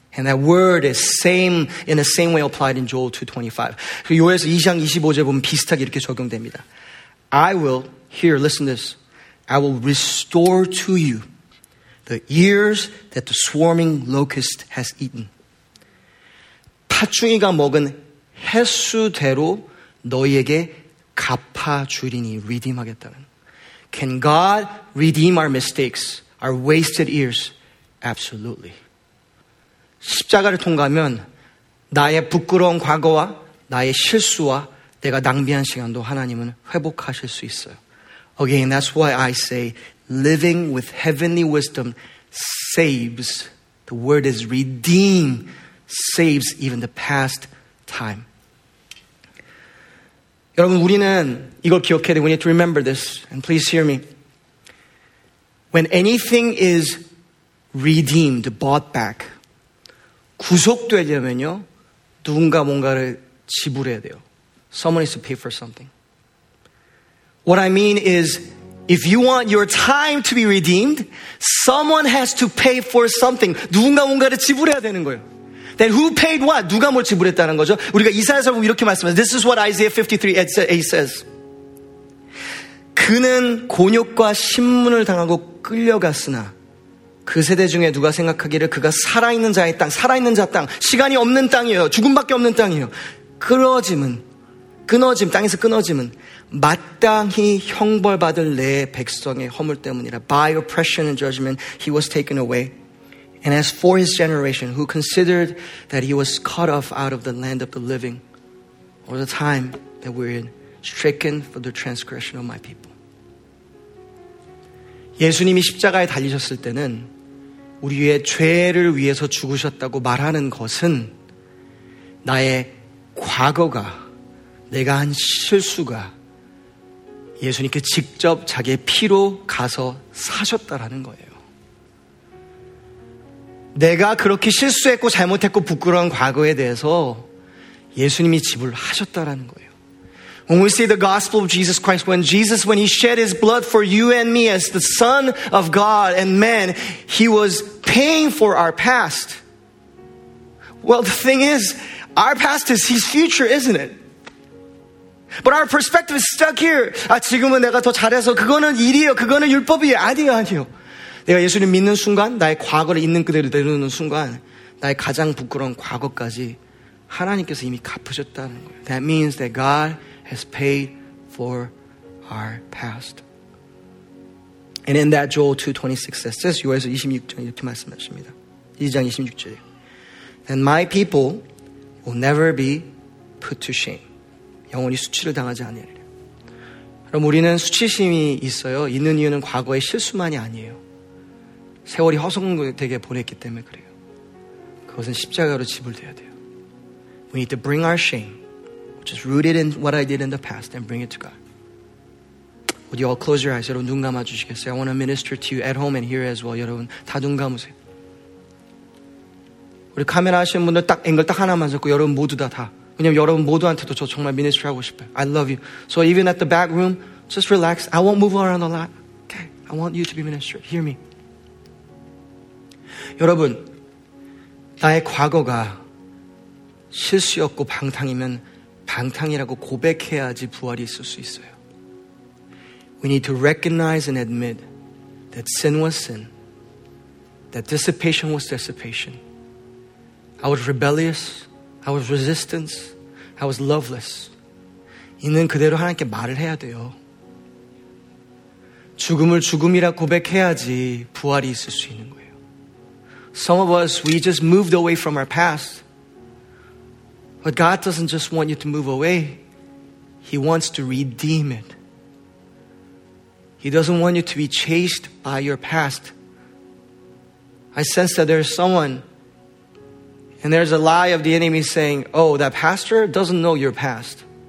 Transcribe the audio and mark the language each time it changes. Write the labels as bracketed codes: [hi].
[en] And that word is same in the same way applied in Joel 2:25. [ko] 요엘서 2장 25절 보면 비슷하게 이렇게 적용됩니다. [en] I will, here, listen to this. I will restore to you the years that the swarming locust has eaten. [ko] 파충이가 먹은 횟수대로 너희에게 갚아주리니 redeem하겠다는. [en] Can God redeem our mistakes, our wasted years? Absolutely. [ko] 십자가를 통과하면 나의 부끄러운 과거와 나의 실수와 내가 낭비한 시간도 하나님은 회복하실 수 있어요. [en] Again, that's why I say living with heavenly wisdom saves. The word is redeem, saves even the past time. [ko] 여러분, 우리는 이걸 기억해야 돼. [en] We need to remember this. And please hear me. When anything is redeemed, bought back, [ko] 구속되려면요, 누군가 뭔가를 지불해야 돼요. [en] Someone needs to pay for something. What I mean is, if you want your time to be redeemed, someone has to pay for something. [ko] 누군가 뭔가를 지불해야 되는 거예요. [en] Then who paid what? [ko] 누가 뭘 지불했다는 거죠? 우리가 이사야서 이렇게 말씀해요. [en] This is what Isaiah 53:8 says. [ko] 그는 곤욕과 신문을 당하고 끌려갔으나 그 세대 중에 누가 생각하기를 그가 살아있는 자의 땅, 살아있는 자 땅, 시간이 없는 땅이에요. 죽음밖에 없는 땅이에요. 끊어짐, 땅에서 끊어짐은 마땅히 형벌받을 내 백성의 허물 때문이라. [en] By oppression and judgment, he was taken away. And as for his generation, who considered that he was cut off out of the land of the living, or the time that we're in, stricken for the transgression of my people. [ko] 예수님이 십자가에 달리셨을 때는 우리의 죄를 위해서 죽으셨다고 말하는 것은 나의 과거가, 내가 한 실수가 예수님께 직접 자기의 피로 가서 사셨다라는 거예요. 내가 그렇게 실수했고 잘못했고 부끄러운 과거에 대해서 예수님이 지불하셨다라는 거예요. [en] When we see the gospel of Jesus Christ, when Jesus, when he shed his blood for you and me as the Son of God and man, he was paying for our past. Well, the thing is, our past is his future, isn't it? But our perspective is stuck here. [ko] 아, 지금은 내가 더 잘해서 그거는 일이에요. 그거는 율법이에요. 아니요, 아니요. 내가 예수님 믿는 순간, 나의 과거를 있는 그대로 내놓는 순간, 나의 가장 부끄러운 과거까지 하나님께서 이미 갚으셨다는 거예요. [en] That means that God has paid for our past. And in that Joel 2:26 says this, [ko] 요엘서 26장 이렇게 말씀하십니다. 2장 26절. [en] And my people will never be put to shame. [ko] 영원히 수치를 당하지 않으리라. 그럼 우리는 수치심이 있어요. 있는 이유는 과거의 실수만이 아니에요. 세월이 허송되게 보냈기 때문에 그래요. 그것은 십자가로 지불되어야 돼요. [en] We need to bring our shame, just rooted in what I did in the past, and bring it to God. Would you all close your eyes? [ko] 여러분 눈 감아주시겠어요? [en] I want to minister to you at home and here as well. [ko] 여러분 다 눈 감으세요. 우리 카메라 하시는 분들 딱 앵글 딱 하나만 잡고 여러분 모두 다 왜냐면 여러분 모두한테도 저 정말 minister 하고 싶어요. [en] I love you. So even at the back room, just relax. I won't move around a lot. Okay. I want you to be minister. Hear me. [ko] 여러분 나의 과거가 실수였고 방탕이면 방탕이라고 고백해야지 부활이 있을 수 있어요. [en] We need to recognize and admit that sin was sin, that dissipation was dissipation. I was rebellious, I was resistant, I was loveless. [ko] 있는 그대로 하나님께 말을 해야 돼요. 죽음을 죽음이라 고백해야지 부활이 있을 수 있는 거예요. [en] Some of us, we just moved away from our past. But God doesn't just want you to move away. He wants to redeem it. He doesn't want you to be chased by your past. I sense that there's someone and there's a lie of the enemy saying, oh, that pastor doesn't know your past.